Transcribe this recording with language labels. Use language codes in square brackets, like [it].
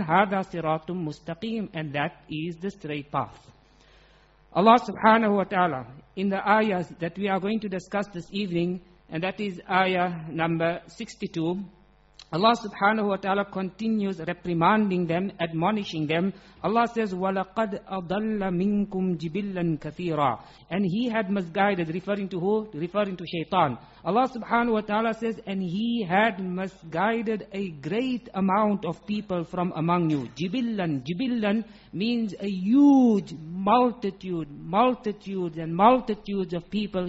[ar] Hadha siratum mustaqim. [en] And that is the straight path. Allah subhanahu wa ta'ala, in the ayahs that we are going to discuss this evening, and that is ayah number 62, Allah subhanahu wa ta'ala continues reprimanding them, admonishing them. Allah says, [ar] وَلَقَدْ أَضَلَّ مِنْكُمْ جِبِلًّا كَثِيرًا. [en] And he had misguided, referring to who? Referring to shaitan. Allah subhanahu wa ta'ala says, and he had misguided a great amount of people from among you. جِبِلًّا, جِبِلًّا means a huge multitude, multitudes and multitudes of people.